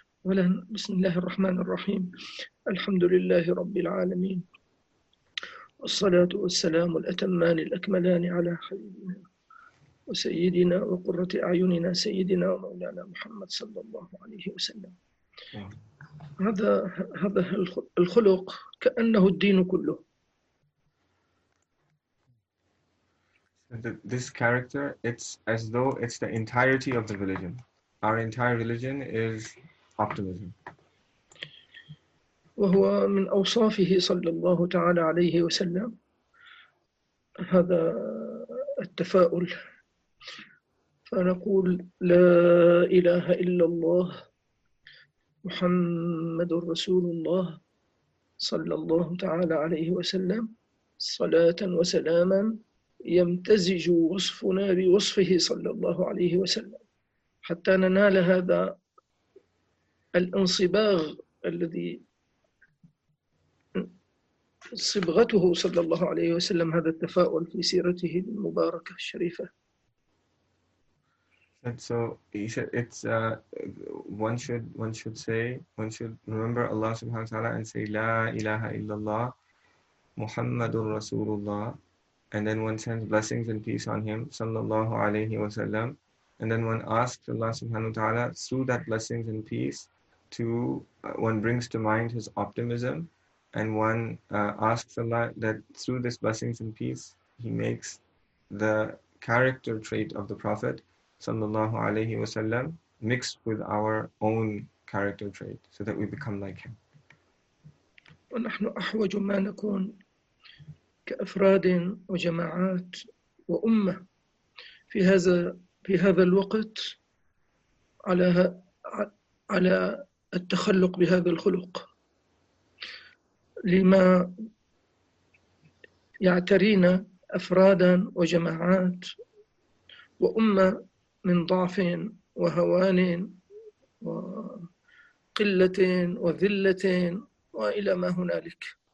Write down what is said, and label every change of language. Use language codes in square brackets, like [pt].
[ar] ولن بسم الله الرحمن الرحيم الحمد لله رب العالمين والصلاة والسلام الأتمان الأكملان على حبيبنا وسيدنا وقرة أعيننا سيدنا ومولانا محمد صلى الله عليه وسلم. هذا الخلق كأنه الدين كله. [en] This character, it's as though it's the entirety of the religion. our entire religion is optimism. [ar] وهو من أوصافه صلى الله تعالى عليه وسلم هذا التفاؤل. فنقول لا إله إلا الله محمد رسول الله صلى الله تعالى عليه وسلم صلاة وسلاما يمتزج وصفنا بوصفه صلى الله عليه وسلم حتى ننال هذا الانصباغ الذي صبغته صلى الله عليه وسلم هذا التفاؤل في سيرته المباركة الشريفة. [en] And so he said, "It's one should remember Allah Subhanahu wa Taala and say, [ar] 'La ilaha illallah, Muhammadur Rasulullah,' [en] and then one sends blessings and peace on him, sallallahu alaihi wasallam, and then one asks Allah Subhanahu wa Taala through that blessings and peace to one brings to mind his optimism, and one asks Allah that through this blessings and peace he makes the character trait of the Prophet." Sallallahu alayhi wa sallam, mixed with our own character trait, so that we become like him. [ar] ونحن أحوج ما نكون كأفراد وجماعات وأمة في هذا الوقت على التخلق بهذا الخلق لما يعترينا أفرادا وجماعات وأمة من ضعف وهوان وقلة وذلة وإلى ما هنالك.